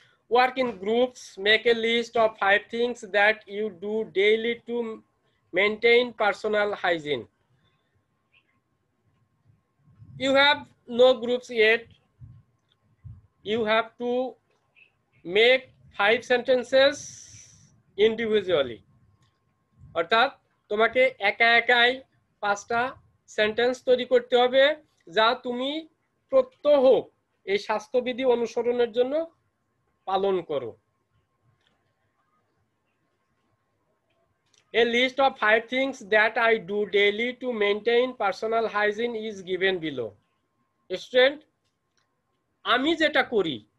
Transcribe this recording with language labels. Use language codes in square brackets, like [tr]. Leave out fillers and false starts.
[en] Work in groups. Make a list of 5 things that you do daily to maintain personal hygiene. You have no groups yet. You have to make 5 sentences individually. [bn] অর্থাৎ তোমাকে একা একাই 5টা sentence তৈরি করতে হবে যা তুমি প্রত্যহ এই স্বাস্থ্যবিধি অনুসরণের জন্য পালন করো। [en] A list of 5 things that I do daily to maintain personal hygiene is given below. [bn] Student, আমি যেটা করি